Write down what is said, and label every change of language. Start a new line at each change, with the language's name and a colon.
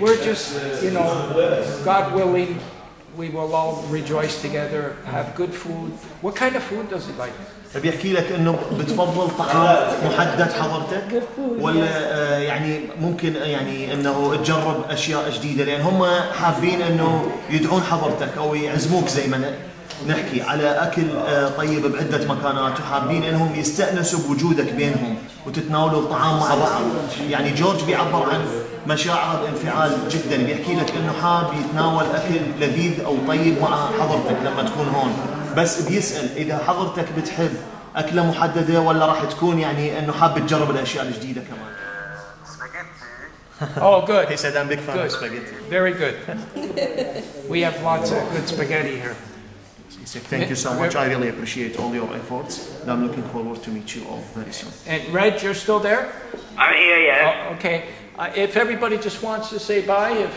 English: We're just, you know, God willing, we will all rejoice together, have good food. What kind of food does he like?
Arabic: بيحكي لك انه بتفضل طعام محدد حضرتك ولا يعني ممكن يعني انه تجرب اشياء جديده لان هم حابين انه يدعون حضرتك او يعزموك زي ما نحكي على اكل طيب بعده مكانات وحابين انهم يستانسوا بوجودك بينهم وتتناولوا الطعام مع بعض يعني جورج بيعبر عن مشاعر انفعال جدا بيحكي لك انه حاب يتناول اكل لذيذ او طيب مع حضرتك لما تكون هون بس بيسال اذا حضرتك بتحب اكله محدده ولا راح تكون يعني انه حاب تجرب الاشياء الجديده كمان
English: Oh, good. He said I'm big fan of spaghetti. Very good. We have lots of good spaghetti here. He said, thank you so much. I really appreciate all your efforts. And I'm looking forward to meet you all very soon. And Reg, you're still there? I'm here, yeah. Oh, okay. If everybody just wants to say bye.